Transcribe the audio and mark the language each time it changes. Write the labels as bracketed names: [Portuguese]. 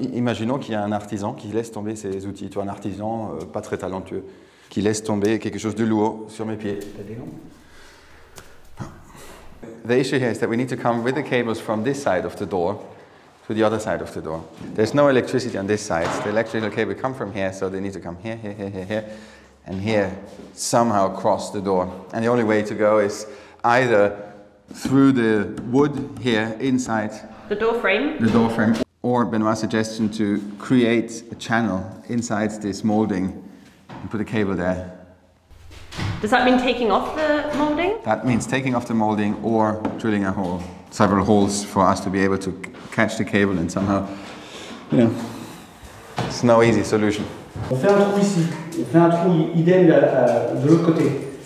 [French] Imaginons qu'il y a un artisan qui laisse tomber ses outils. Tu vois, un artisan pas très talentueux, qui laisse tomber quelque chose de lourd sur mes pieds. [English] The issue here is that we need to come with the cables from this side of the door to the other side of the door. There's no electricity on this side. The electrical cable come from here, so they need to come here, and here, somehow cross the door. And the only way to go is either through the wood here inside the door frame, or Benoit's suggestion to create a channel inside this molding and put a cable there. Does that mean taking off the molding? That means taking off the molding or drilling a hole, several holes for us to be able to catch the cable and somehow, you know, it's no easy solution. [French] On fait un trou ici, on fait un trou idem de l'autre côté.